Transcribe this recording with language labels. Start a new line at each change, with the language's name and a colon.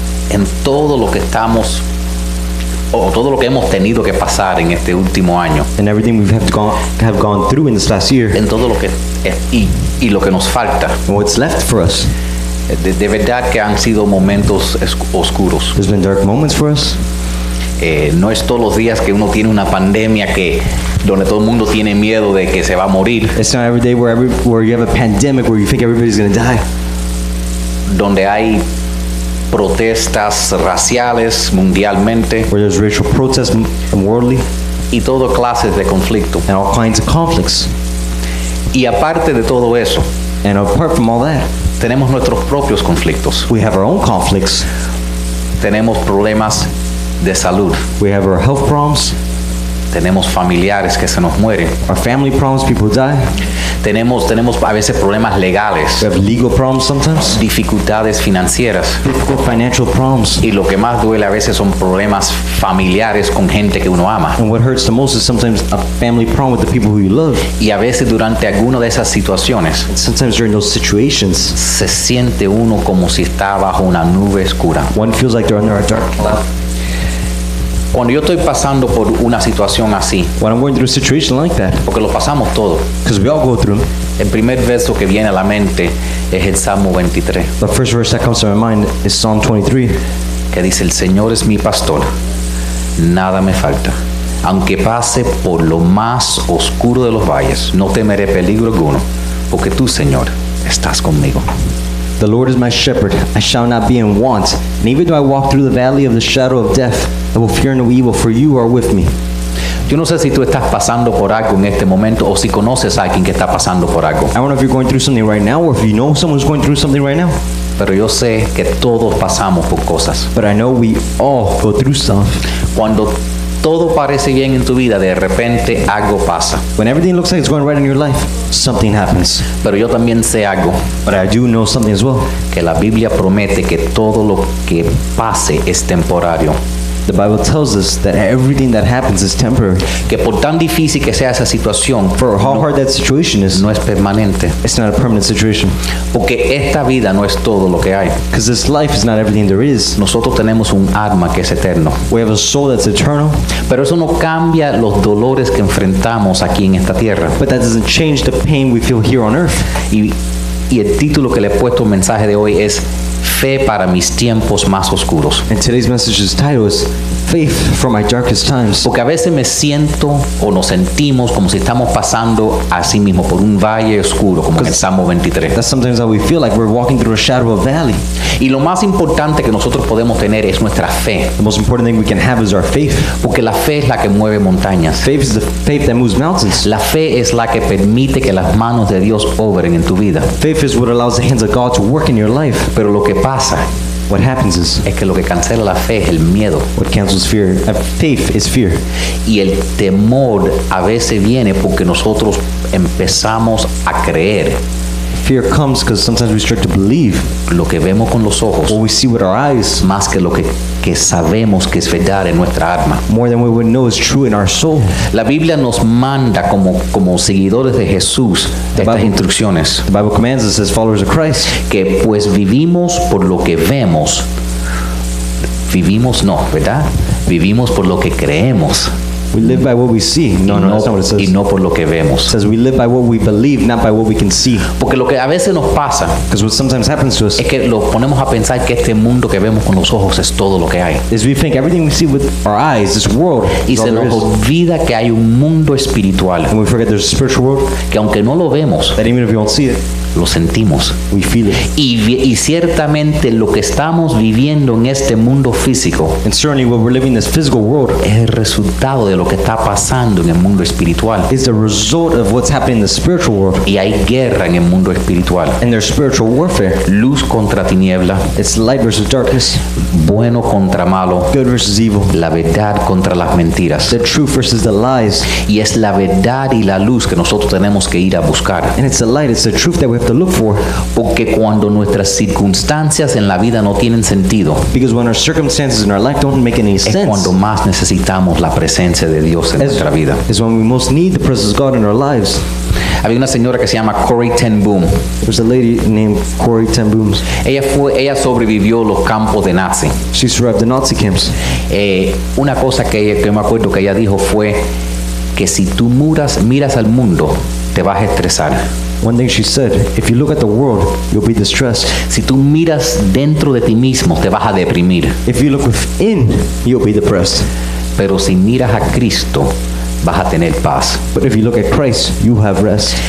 Spanish: en todo lo que estamos o todo lo que hemos tenido que pasar en este último año,
English: and everything we have gone through in this last year,
Spanish: en todo lo que y lo que nos falta,
English: what's left for us.
Spanish: De verdad que han sido momentos oscuros.
English: There's been dark moments for us.
Spanish: No es todos los días que uno tiene una pandemia que donde todo el mundo tiene miedo de que se va a morir.
English: It's not every day where you have a pandemic where you think everybody's going to die.
Spanish: Donde hay protestas raciales mundialmente.
English: Where there's racial protests worldly.
Spanish: Y todo clases de conflicto.
English: And all kinds of conflicts.
Spanish: Y aparte de todo eso.
English: And apart from all that.
Spanish: Tenemos nuestros propios conflictos.
English: We have our own conflicts.
Spanish: Tenemos problemas de salud.
English: We have our health problems.
Spanish: Tenemos familiares que se nos mueren.
English: Our family problems, people die.
Spanish: Tenemos a veces problemas legales.
English: We have legal problems sometimes.
Spanish: Dificultades financieras.
English: Difficult financial problems.
Spanish: Y lo que más duele a veces son problemas familiares con gente que uno ama.
English: And what hurts the most is sometimes a family problem with the people who you love.
Spanish: Y a veces durante alguna de esas situaciones,
English: sometimes during those situations,
Spanish: se siente uno como si está bajo una nube oscura.
English: One feels like they're under a dark cloud.
Spanish: Cuando yo estoy pasando por una situación así,
English: when I'm going through a situation like that,
Spanish: porque lo pasamos todo,
English: because we all go through,
Spanish: el primer verso que viene a la mente es el Salmo 23.
English: The first verse that comes to my mind is Psalm 23.
Spanish: Que dice, el Señor es mi pastor, nada me falta. Aunque pase por lo más oscuro de los valles, no temeré peligro alguno, porque tú, Señor, estás conmigo.
English: The Lord is my shepherd, I shall not be in want. And even though I walk through the valley of the shadow of death, I will fear no evil, for you are with me.
Spanish: Yo no sé si tú estás pasando por algo en este momento o si conoces a alguien que está pasando por algo.
English: I don't know if you're going through something right now or if you know someone's going through something right now.
Spanish: Pero yo sé que todos pasamos por cosas.
English: But I know we all go through stuff.
Spanish: Cuando todo parece bien en tu vida, de repente algo pasa.
English: When everything looks like it's going right in your life, something happens.
Spanish: Pero yo también sé algo.
English: But I do know something as well.
Spanish: Que la Biblia promete que todo lo que pase es temporario.
English: The Bible tells us that everything that happens is temporary.
Spanish: Que por tan difícil que sea esa situación,
English: for how hard that situation is,
Spanish: no es permanente.
English: It's not a permanent situation.
Spanish: Porque esta vida no es todo lo que hay.
English: Because this life is not everything there is.
Spanish: Nosotros tenemos un alma que es eterno.
English: We have a soul that's eternal.
Spanish: Pero eso no cambia los dolores que enfrentamos aquí en esta tierra.
English: But that doesn't change the pain we feel here on earth.
Spanish: Y el título que le he puesto al mensaje de hoy es Fe para mis tiempos más oscuros.
English: And today's message's title is Faith for my darkest times.
Spanish: Porque a veces me siento o nos sentimos como si estamos pasando a sí mismo por un valle oscuro, como en el Salmo 23.
English: That's sometimes how we feel like we're walking through a shadow of a valley.
Spanish: Y lo más importante que nosotros podemos tener es nuestra fe.
English: The most important thing we can have is our faith.
Spanish: Porque la fe es la que mueve montañas.
English: Faith is the faith that moves mountains.
Spanish: La fe es la que permite que las manos de Dios obren en tu vida.
English: Faith is what allows the hands of God to work in your life.
Spanish: Pero lo que pasa,
English: what happens is,
Spanish: es que lo que cancela la fe es el miedo.
English: What cancels fear, faith is fear.
Spanish: Y el temor a veces viene porque nosotros empezamos a creer.
English: Fear comes because sometimes we start to believe
Spanish: lo que vemos con los ojos,
English: what we see with our eyes,
Spanish: más que lo que sabemos que es verdad en nuestra alma,
English: more than what we know is true in our soul.
Spanish: La Biblia nos manda como seguidores de Jesús estas instrucciones.
English: The Bible commands us as followers of Christ
Spanish: que pues vivimos por lo que vemos, vivimos no, ¿verdad? Vivimos por lo que creemos.
English: We live by what we see. No, that's not what it says.
Spanish: Y no por lo que vemos.
English: It says we live by what we believe, not by what we can see.
Spanish: Porque lo que a veces nos pasa,
English: because what sometimes happens to us,
Spanish: es que lo ponemos a pensar que este mundo que vemos con los ojos es todo lo que hay.
English: Is we think everything we see with our eyes, this world,
Spanish: y se nos olvida que hay un mundo espiritual.
English: And we forget there's a spiritual world.
Spanish: Que aunque no lo vemos,
English: that even if we don't see it,
Spanish: lo sentimos.
English: We feel it.
Spanish: Y ciertamente lo que estamos viviendo en este mundo físico,
English: and certainly what we're living in this physical world,
Spanish: es el resultado de lo que está pasando en el mundo espiritual.
English: Is the result of what's happening in the spiritual world.
Spanish: Y hay guerra en el mundo espiritual.
English: And there's spiritual warfare.
Spanish: Luz contra tiniebla.
English: It's light versus darkness.
Spanish: Bueno contra malo.
English: Good versus evil.
Spanish: La verdad contra las mentiras.
English: The truth versus the lies.
Spanish: Y es la verdad y la luz que nosotros tenemos que ir a buscar.
English: And it's the light, it's the truth that we have to look for.
Spanish: Porque cuando nuestras circunstancias en la vida no tienen sentido,
English: because when our circumstances in our life don't make any sense,
Spanish: es cuando más necesitamos la presencia de Dios en nuestra vida.
English: Is when we most need the presence of God in our lives.
Spanish: Había una señora que se llama Corrie Ten Boom.
English: There's a lady named Corrie Ten Boom.
Spanish: Ella sobrevivió los campos de Nazi.
English: She survived the Nazi camps.
Spanish: Una cosa que me acuerdo que ella dijo fue que si tú miras al mundo, te vas a estresar.
English: One thing she said, if you look at the world, you'll be distressed.
Spanish: Si tú miras dentro de ti mismo, te vas a deprimir.
English: If you look within, you'll be depressed.
Spanish: Pero si miras a Cristo, vas a tener paz.
English: But if you look at Christ, you have rest.